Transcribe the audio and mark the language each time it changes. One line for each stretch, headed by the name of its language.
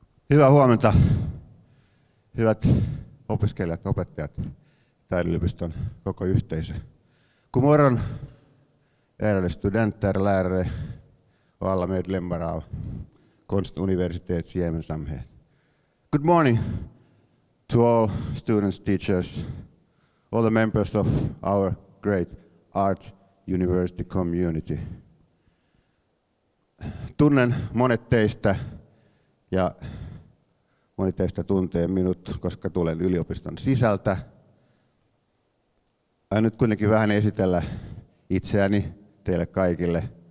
Finnish: Hyvää huomenta, hyvät opiskelijat, opettajat, taideyliopiston koko yhteisö.
Swedish: God morgon, ärade studenter, lärare och alla medlemmar av Konstuniversitets gemensamhet.
English: Good morning to all students, teachers, all the members of our great art university community.
Finnish: Tunnen monet teistä ja moni teistä tuntee minut, koska tulen yliopiston sisältä. Aion nyt kuitenkin vähän esitellä itseäni teille kaikille.